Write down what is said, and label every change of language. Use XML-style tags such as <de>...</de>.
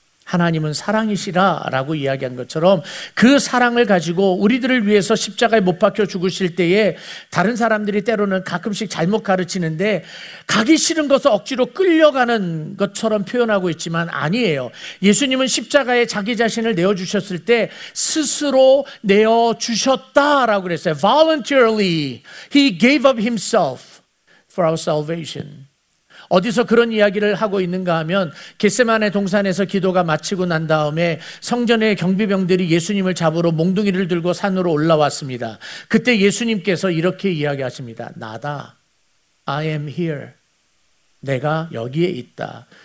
<ko>하나님은 사랑이시라라고 이야기한 것처럼 그 사랑을 가지고 우리들을 위해서 십자가에 못 박혀 죽으실 때에 다른 사람들이 때로는 가끔씩 잘못 가르치는데 가기 싫은 것을 억지로 끌려가는 것처럼 표현하고 있지만 아니에요. 예수님은 십자가에 자기 자신을 내어주셨을 때 스스로 내어주셨다라고 그랬어요.</ko> <en>Voluntarily, he gave up himself for our salvation.</en> <ko>어디서 그런 이야기를 하고 있는가 하면 겟세마네 동산에서 기도가 마치고 난 다음에 성전의 경비병들이 예수님을 잡으러 몽둥이를 들고 산으로 올라왔습니다. 그때 예수님께서 이렇게 이야기하십니다. 나다.</ko> <en>I am here.</en> <ko>내가 여기에 있다.</ko>